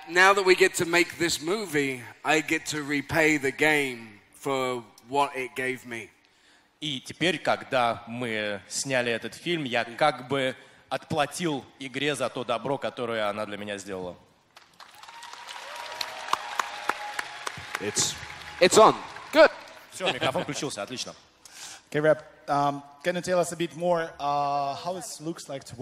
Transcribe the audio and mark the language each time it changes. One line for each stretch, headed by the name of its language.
English: Now that we get to make this movie, I get to repay the game for what it gave me.
Russian: И теперь, когда мы сняли этот фильм, я как бы отплатил игре за то добро, которое она для меня сделала.
English: It's on. Good. Okay, rep. Can you tell us a bit more how it looks like to work?